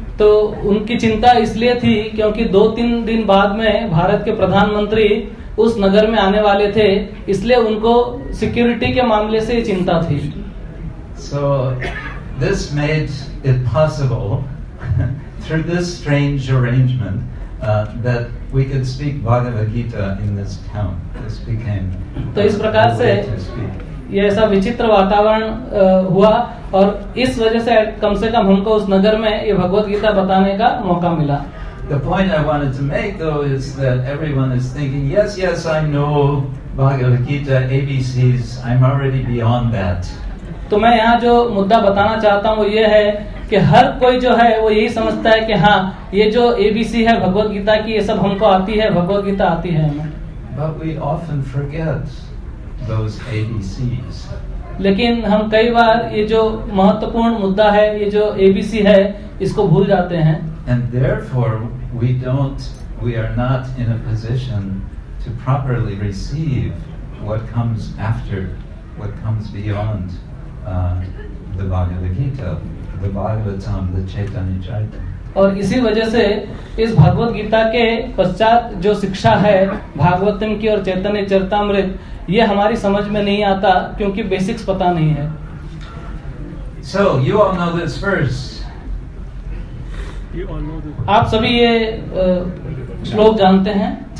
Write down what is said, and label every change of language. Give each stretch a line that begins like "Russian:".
Hindi: तो उनकी चिंता इसलिए थी क्योंकि दो तीन दिन बाद में भारत के प्रधानमंत्री उस नगर में आने वाले थे, इसलिए उनको सिक्योरिटी के मामले से चिंता थी.
English: So this made it possible. Through this strange arrangement, that we could speak Bhagavad Gita in this town, this became.
Hindi: तो इस प्रकार से ये ऐसा विचित्र वातावरण हुआ और इस वजह से कम हमको उस नगर में ये भगवत गीता बताने का मौका मिला.
English: The point I wanted to make, though, is that everyone is thinking, yes, yes, I know Bhagavad Gita, ABCs. I'm already beyond that.
Hindi: तो मैं यहाँ जो मुद्दा बताना चाहता हूँ वो ये है कि हर कोई जो है वो यही समझता है कि हाँ, ये जो एबीसी है भगवत गीता की, ये सब हमको आती है, भगवत गीता आती है हमें.
English: But we often forget those ABCs.
Hindi: लेकिन हम कई बार ये जो महत्वपूर्ण मुद्दा है, ये जो एबीसी है, इसको भूल जाते हैं.
English: And therefore we are not in a position to properly receive what comes after, what comes beyond the Bhagavad Gita.
Hindi: और इसी वजह से इस भगवत गीता के पश्चात जो शिक्षा है भागवतम की और चैतन्य चरितामृत, ये हमारी समझ में नहीं आता क्योंकि बेसिक्स पता नहीं है.
English: So you all know this verse.
Hindi: आप सभी ये श्लोक जानते हैं.